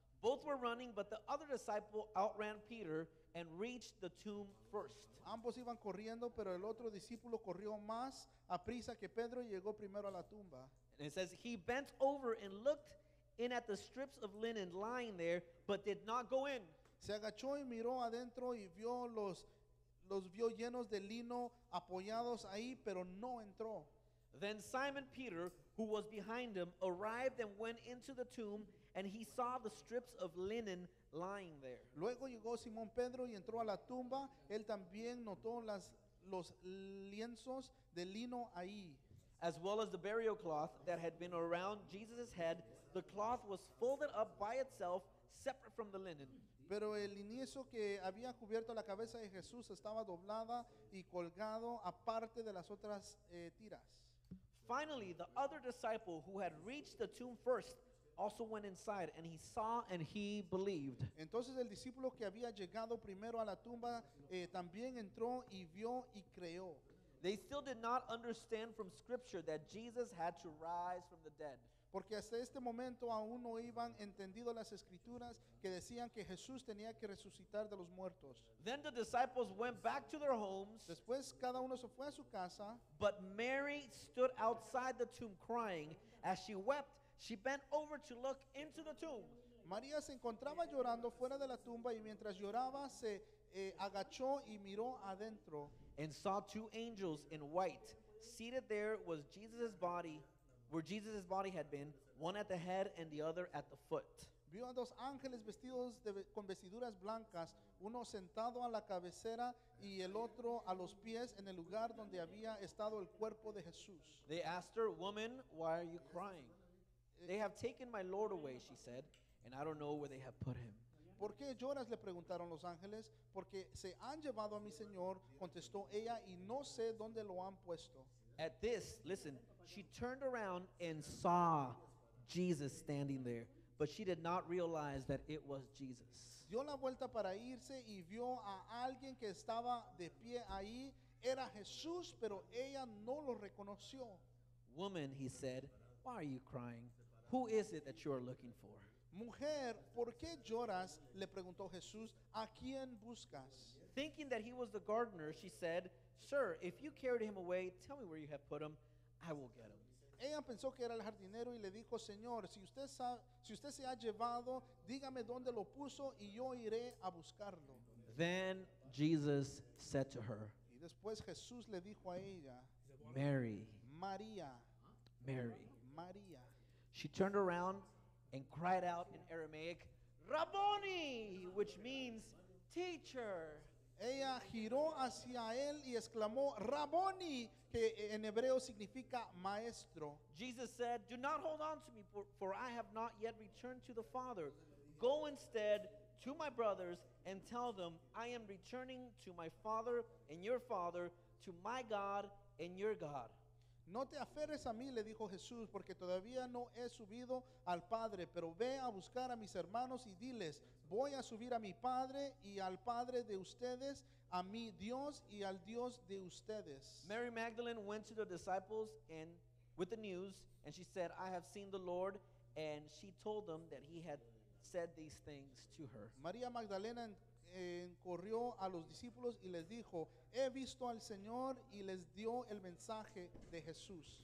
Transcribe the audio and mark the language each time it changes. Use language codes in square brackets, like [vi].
[en] Both were running, but the other disciple outran Peter and reached the tomb first. [es] Ambos iban corriendo, pero el otro discípulo corrió más a prisa que Pedro y llegó primero a la tumba. [en] And it says, he bent over and looked in at the strips of linen lying there, but did not go in. [es] Se agachó y miró adentro y vio los vio llenos de lino apoyados ahí, pero no entró. [en] Then Simon Peter, who was behind him, arrived and went into the tomb, and he saw the strips of linen lying there. [es] Luego llegó Simón Pedro y entró a la tumba. Él también notó los lienzos de lino ahí. [en] As well as the burial cloth that had been around Jesus' head, the cloth was folded up by itself, separate from the linen. [es] Pero el lienzo que había cubierto la cabeza de Jesús estaba doblada y colgado aparte de las otras tiras. [en] Finally, the other disciple who had reached the tomb first also went inside, and he saw and he believed. [es] Entonces el discípulo que había llegado primero a la tumba también entró y vio y creyó. [en] They still did not understand from Scripture that Jesus had to rise from the dead. [es] Porque hasta este momento aún no iban entendido las escrituras que decían que Jesús tenía que resucitar de los muertos. [en] Then the disciples went back to their homes. [es] Después cada uno se fue a su casa. [en] But Mary stood outside the tomb crying. As she wept, she bent over to look into the tomb. [es] María se encontraba llorando fuera de la tumba y mientras lloraba se agachó y miró adentro. [en] And saw two angels in white. Seated there was Jesus' body, where Jesus' body had been, one at the head and the other at the foot. [es] Vio a dos ángeles vestidos con vestiduras blancas, uno sentado a la cabecera y el otro a los pies en el lugar donde había estado el cuerpo de Jesús. [en] They asked her, "Woman, why are you crying?" "They have taken my Lord away," she said, "and I don't know where they have put him." [es] ¿Por qué lloras?, le preguntaron los ángeles. "Porque se han llevado a mi Señor," contestó ella, "y no sé dónde lo han puesto." [en] At this, listen, she turned around and saw Jesus standing there, but she did not realize that it was Jesus. [es] Dio la vuelta para irse y vio a alguien que estaba de pie ahí. Era Jesús, pero ella no lo reconoció. [en] "Woman," he said, "why are you crying? Who is it that you are looking for?" [es] Mujer, ¿por qué lloras?, le preguntó Jesús. "¿A quién buscas?" [en] Thinking that he was the gardener, she said, "Sir, if you carried him away, tell me where you have put him. I will get him." [es] Ella pensó que era el jardinero y le dijo, "Señor, si usted se ha llevado, dígame dónde lo puso y yo iré a buscarlo." [en] Then Jesus said to her. [es] Y después Jesús le dijo a ella, [en] "Mary." [es] María. [en] Mary. [es] María. [en] She turned around and cried out in Aramaic, "Rabboni," which means teacher. [es] Ella giró hacia él y exclamó, "Rabboni," que en hebreo significa maestro. [en] Jesus said, "Do not hold on to me, for I have not yet returned to the Father. Go instead to my brothers and tell them, I am returning to my Father and your Father, to my God and your God." [es] "No te aferres a mí," le dijo Jesús, "porque todavía no he subido al Padre, pero ve a buscar a mis hermanos y diles, voy a subir a mi Padre y al Padre de ustedes, a mi Dios y al Dios de ustedes." [en] Mary Magdalene went to the disciples and with the news, and she said, "I have seen the Lord," and she told them that he had said these things to her. [es] María Magdalena corrió a los discípulos y les dijo, "He visto al Señor," y les dio el mensaje de Jesús.